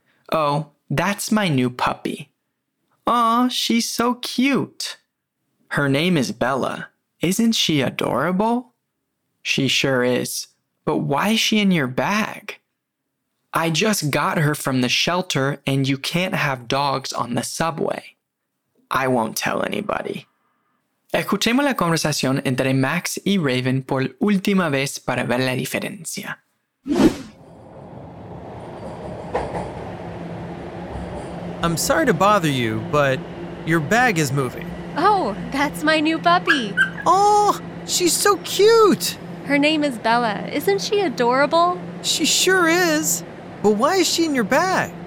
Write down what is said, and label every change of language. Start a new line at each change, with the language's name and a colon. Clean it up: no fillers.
English: Oh, that's my new puppy. Aw, she's so cute. Her name is Bella. Isn't she adorable? She sure is. But why is she in your bag? I just got her from the shelter and you can't have dogs on the subway. I won't tell anybody.
Spanish: Escuchemos la conversación entre Max y Raven por última vez para ver la diferencia.
English: I'm sorry to bother you, but your bag is moving. Oh, that's my new puppy. Oh, she's so cute. Her name is Bella. Isn't she adorable? She sure is. But why is she in your bag?